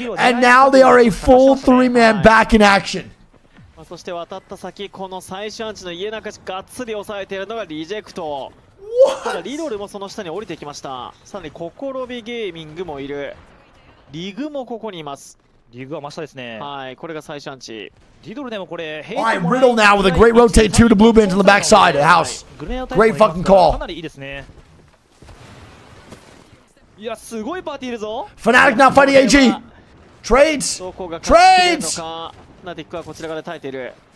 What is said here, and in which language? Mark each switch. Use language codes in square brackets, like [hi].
[en] And now they are a full three man back in action. [ja] そして渡った先、この最初アンチの家中がガッツリ押さえているのがリジェクト。 [en] What? [ja] リドルもその下に降りてきました。さらにココロビゲーミングもいる。リグもここにいます。リグは真下ですね。はい、これが最初アンチ。リドルでもこれ。 [en] はい、Riddle now with a great rotate two to blue bins on the backside of the house. Great fucking call. [ja] かなりいいですね。いや、すごいパーティーいるぞ。 [en] Fnatic now fighting AG. Trades. [ja] どこが勝っているのか。ナティックはこちら側で耐えている。